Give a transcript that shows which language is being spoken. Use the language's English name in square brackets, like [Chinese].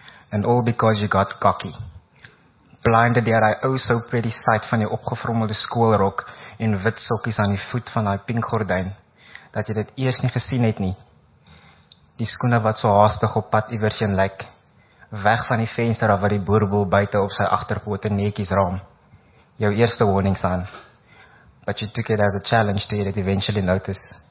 [English] And all because you got cocky. Blinded [Afrikaans] deur hy [English] oh so pretty sight [Afrikaans] van die opgevrommelde skoolrok en wit sokkies aan die voet van hy pink gordyn, dat jy dit eers nie gesien het nie. Die skoene wat so haastig op pad iewersheen lyk, weg van die venster af wat die boerboel buite op sy agterpote netjies raam. Jou eerste [English] warning sign. But you took it as a challenge to it eventually notice.